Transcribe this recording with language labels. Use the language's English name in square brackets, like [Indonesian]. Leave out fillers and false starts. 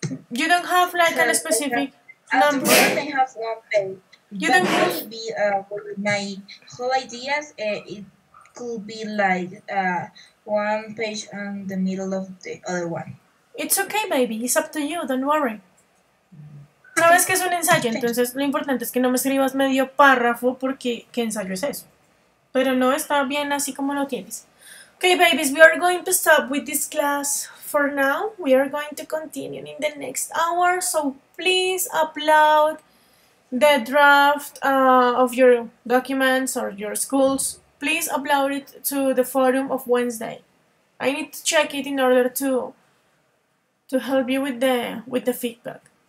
[English] You don't have a specific number. I only have one thing. You but don't have. Maybe my whole ideas. It could be one page on the middle of the other one. It's okay, baby. It's up to you. Don't worry. [Spanish] Sabes que es un ensayo, entonces lo importante es que no me escribas medio párrafo porque ¿qué ensayo es eso? Pero no está bien así como lo tienes. [English] Okay, babies, we are going to stop with this class for now. We are going to continue in the next hour. So please upload the draft of your documents or your schools. Please upload it to the forum of Wednesday. I need to check it in order to help you with the feedback.